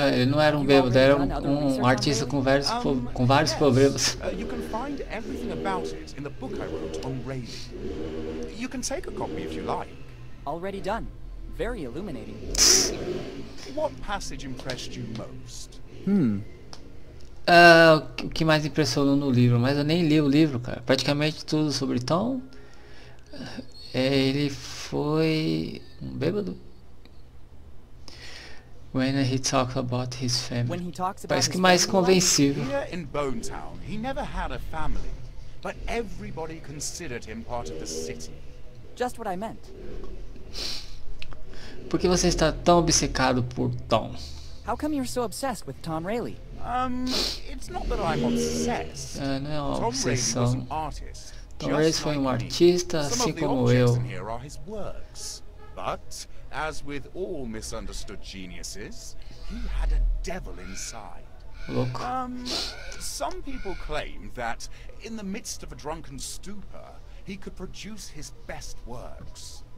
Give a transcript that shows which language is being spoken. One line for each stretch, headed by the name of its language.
Portuguese: Ele não era um bêbado, era um artista com vários problemas.
English: You can find everything about it in the book I wrote on Rayleigh. You can take a copy if you like. Already done. Very illuminating. What passage impressed you most?
Portuguese: O que mais impressionou no livro? Mas eu nem li o livro, cara. Praticamente tudo sobre Tom. Ele foi um bêbado.
English: When he talks about his family. When he talks about
Portuguese: parece que mais convencível.
English: Here in Bone Town, he never had a family, but everybody considered him part of the city. Just what I meant.
Portuguese: Por que você está tão obcecado por Tom?
English: How come you're so obsessed with Tom Rayleigh? It's not that I'm obsessed.
Portuguese: Não é uma obsessão.
English: Tom Rayleigh was an artist.
Portuguese: Tom Rayleigh foi um artista, assim como eu.
English: Some of the objects in here are his works. But, as with all misunderstood geniuses, he had a devil inside. Look. Some people claim that, in the midst of a drunken stupor, he could produce his best works.